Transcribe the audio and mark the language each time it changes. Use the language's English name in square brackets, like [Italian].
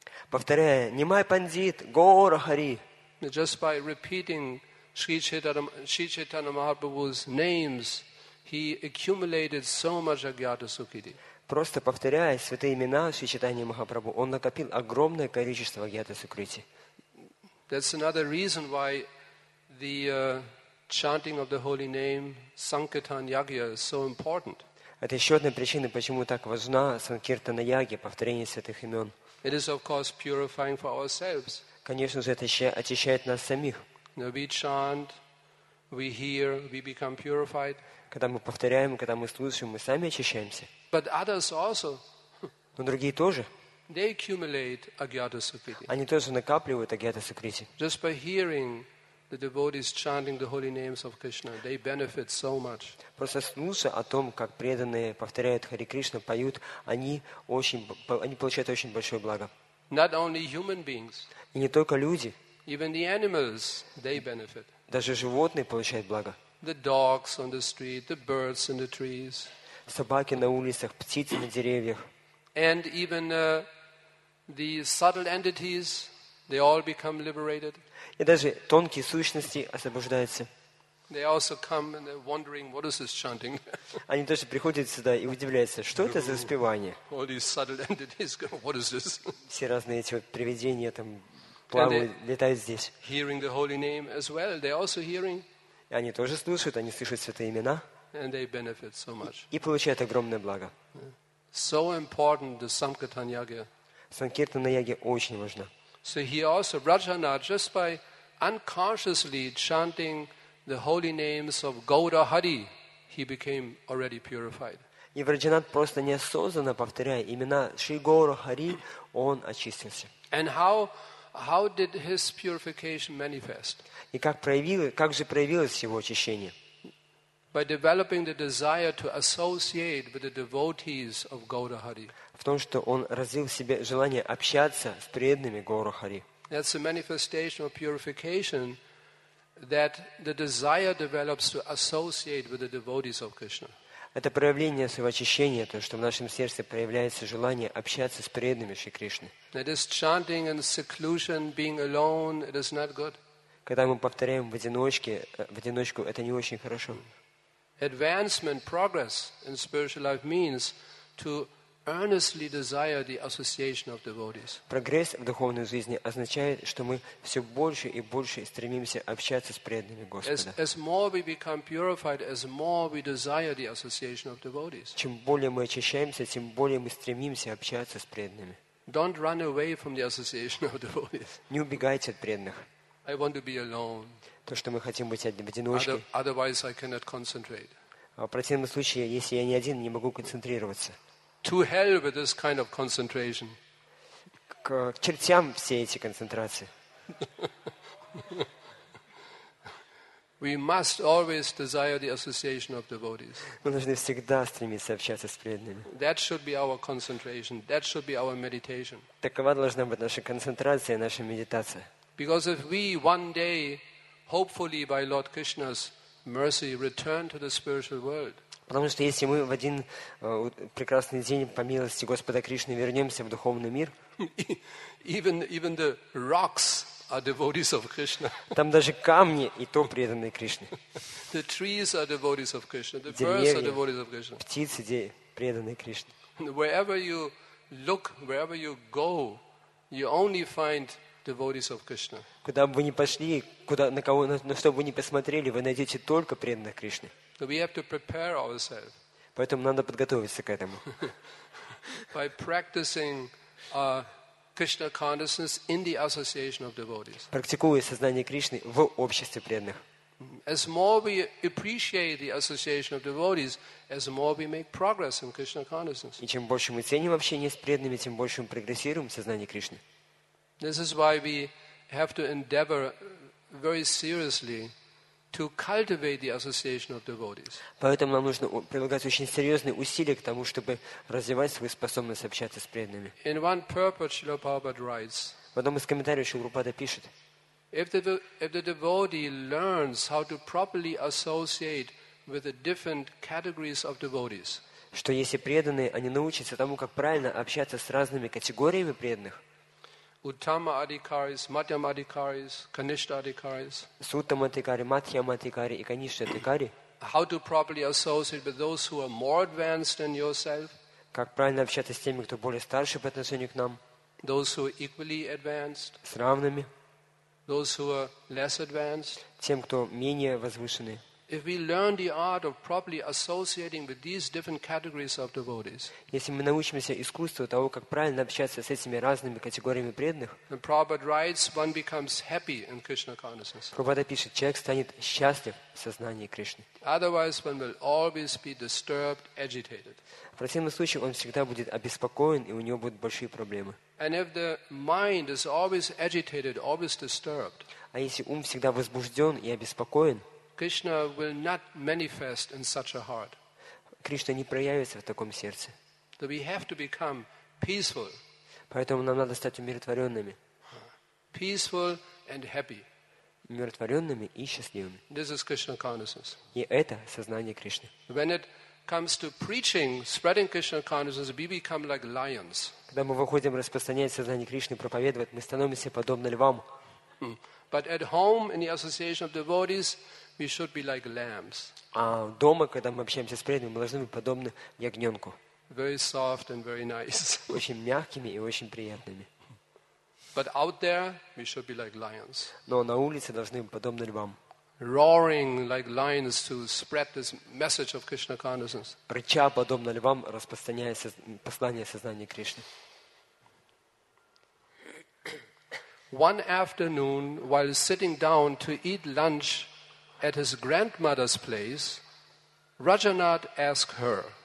[Russian] Повторяя Nimai Pandit Gaura Hari. [English] Just by repeating Shri Chaitanya Mahaprabhu's names, he accumulated so much Agyata Sukriti. [Russian] Просто повторяя святые имена Шри Чайтаньи Махапрабху, он накопил огромное количество Агьята Сукрити. [English] That's another reason why the chanting of the holy name Sankirtan Yagya is so important. [Russian] Это еще одна причина, почему так важна Санкиртана Ягья, повторение святых имен. [English] It is of course purifying for ourselves. [Russian] Конечно же, это очищает нас самих. [English] we chant, we hear, we become purified. [Russian] Когда мы повторяем, когда мы слушаем, мы сами очищаемся. [English] But others also. [Russian] Но другие тоже. [English] They accumulate agyata sukriti. [Russian] Они тоже накапливают агьята сукрити. [English] Just by hearing the devotees chanting the holy names of Krishna, they benefit so much. [Russian] Просто слушая о том, как преданные повторяют Хари Кришну, поют, они получают очень большое благо. [English] Not only human beings. [Russian] И не только люди. [English] Even the animals, they benefit. [Russian] Даже животные получают благо. [English] The dogs on the street, the birds in the trees. [Russian] Собаки на улицах, птицы на деревьях. [English] And even the subtle entities, they all become liberated. [Russian] И даже тонкие сущности освобождаются. [English] They also come and they're wondering, what is this chanting? [Russian] Они тоже приходят сюда и удивляются, что это за воспевание? [English] All these subtle entities go, what is this? [Russian] Все разные эти привидения там плавают, летают здесь. [English] Hearing the holy name as well, they're also hearing. [Russian] И они тоже слушают, они слышат святые имена. [English] And they benefit so much. [Russian] И получают огромное благо. [English] So important the Sankirtan Yagya. [Russian] Санкиртана Яги очень важна. [English] So here also Rajanath, just by unconsciously chanting the holy names of Gaura Hari, he became already purified. [Russian] И Раджанат просто неосознанно повторяя имена Шри Гаура Хари, он очистился. [English] And how did his purification manifest? [Russian] И как же проявилось его очищение? [English] By developing the desire to associate with the devotees of Gaura Hari. [Russian] В том, что он развил в себе желание общаться с преданными Гаура Хари. [English] That's a manifestation of purification that the desire develops to associate with the devotees of Krishna. [Russian] Это проявление своего очищения, то, что в нашем сердце проявляется желание общаться с преданными Шри Кришны. [English] That is chanting in seclusion, being alone, it is not good. [Russian] Когда мы повторяем в одиночку, это не очень хорошо. [English] Advancement, progress in spiritual life means to earnestly desire the association of devotees. [Russian] Прогресс в духовной жизни означает, что мы все больше и больше стремимся общаться с преданными Господа. [English] As more we become purified, as more we desire the association of devotees. [Russian] Чем более мы очищаемся, тем более мы стремимся общаться с преданными. [English] Don't run away from the association of devotees. [Russian] Не убегайте от преданных. [English] I want to be alone. [Russian] То, что мы хотим быть в одиночке. [English] Otherwise I cannot concentrate. [Russian] В противном случае, если я не один, не могу концентрироваться. [English] To hell with this kind of concentration. [Russian] К чертям все эти концентрации. [English] We must always desire the association of devotees. [Russian] Мы должны всегда стремиться общаться с преданными. [English] That should be our concentration. That should be our meditation. [Russian] Такова должна быть наша концентрация, наша медитация. [English] Because if we one day, hopefully by Lord Krishna's mercy, return to the spiritual world. [Russian] Потому что если мы в один прекрасный день по милости Господа Кришны вернемся в духовный мир, [English] even the rocks are devotees of Krishna. [Russian] Там даже камни и то преданные Кришне. [English] The trees are devotees of Krishna. The birds are devotees of Krishna. [Russian] Птицы преданные Кришне. [English] Wherever you look, wherever you go, you only find devotees of Krishna. [Russian] Куда бы вы ни пошли, куда, на кого, на что бы вы ни посмотрели, вы найдете только преданных Кришны. [English] So we have to prepare ourselves. [Russian] Поэтому надо подготовиться к этому. [English] By practicing Krishna consciousness in the association of devotees. [Russian] Практикуя сознание Кришны в обществе преданных. [English] As more we appreciate the association of devotees, as more we make progress in Krishna consciousness. [Russian] И чем больше мы ценим общение с преданными, тем больше мы прогрессируем в сознании Кришны. [English] This is why we have to endeavor very seriously to cultivate the association of devotees. [Russian] Поэтому нам нужно прилагать очень серьезные усилия к тому, чтобы развивать свою способность общаться с преданными. [English] In one purport, Srila Prabhupada writes. [Russian] В одном из комментариев Шрила Прабхупада пишет. [English] If the devotee learns how to properly associate with the different categories of devotees. [Russian] Что если преданные, они научатся тому, как правильно общаться с разными категориями преданных. [English] Uttama adhikaris, Madhyama adhikaris, Kanishtha adhikaris. [Russian] Suttama adhikari, Madhyama adhikari и Kanishtha adhikari. [English] How to properly associate with those who are more advanced than yourself? [Russian] Как правильно общаться с теми, кто более старше по отношению к нам? [English] Those who are equally advanced. [Russian] С равными. [English] Those who are less advanced. [Russian] Тем, кто менее возвышенный. [English] If we learn the art of properly associating with these different categories of devotees, [Russian] если мы научимся искусству того, как правильно общаться с этими разными категориями преданных, [English] Prabhupada writes, one becomes happy in Krishna consciousness. [Russian] Prabhupada пишет, человек станет счастлив в сознании Кришны. [English] Otherwise, one will always be disturbed, agitated. [Russian] В противном случае он всегда будет обеспокоен и у него будут большие проблемы. [English] And if the mind is always agitated, always disturbed, [Russian] а если ум всегда возбужден и обеспокоен, [English] Krishna will not manifest in such a heart. [Russian] Кришна не проявится в таком сердце. [English] So we have to become peaceful. [Russian] Поэтому нам надо стать умиротворенными. [English] Peaceful and happy. [Russian] Умиротворенными и счастливыми. [English] This is Krishna consciousness. [Russian] И это сознание Кришны. [English] When it comes to preaching, spreading Krishna consciousness, we become like lions. [Russian] Когда мы выходим распространять сознание Кришны, проповедовать, мы становимся подобны львам. [English] But at home in the association of devotees, we should be like lambs. [Russian] А дома, когда мы общаемся с преданными, мы должны быть подобны ягненку. [English] Very soft and very nice. [Russian] Очень мягкими и очень приятными. [English] But out there, we should be like lions. [Russian] Но на улице должны быть подобны львам. [English] Roaring like lions to spread this message of Krishna consciousness. [Russian] Рыча подобно львам, распространяя послание сознания Кришны. [English] One afternoon, while sitting down to eat lunch at his grandmother's place, Rajanath asked her.